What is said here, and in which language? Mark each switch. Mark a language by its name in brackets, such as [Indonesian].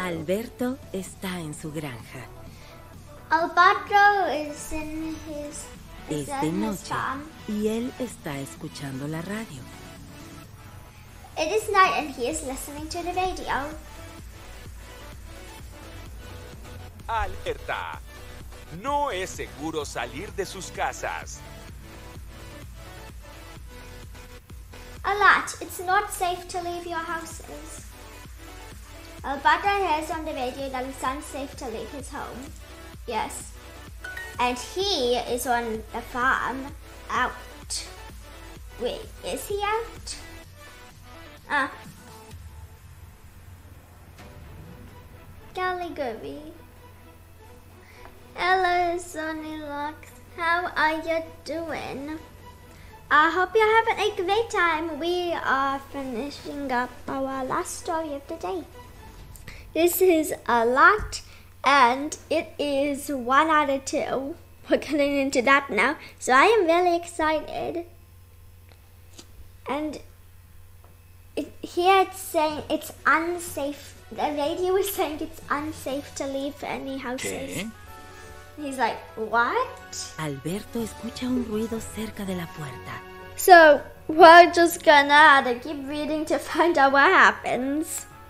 [Spanish] Alberto está en su granja. [English] Alberto is in his farm. [Spanish] Es de noche y él está escuchando la radio. [English] It is night and he is listening to the radio. [Spanish] ¡Alerta! No es seguro salir de sus casas. [English] Alert! It's not safe to leave your houses. Alberto hears on the radio that it's unsafe to leave his home. Yes. And he is on the farm. Out. Wait, is he out? Ah. Caligari. Hello, Sonny Lux. How are you doing? I hope you're having a great time. We are finishing up our last story of the day. This is a lot, and it is one out of two. We're getting into that now, so I am really excited. And here it's saying it's unsafe. The radio is saying it's unsafe to leave any houses. [Spanish] ¿Qué? [English] He's like, what? [Spanish] Alberto escucha un ruido cerca de la puerta. [English] So, we're just gonna keep reading to find out what happens.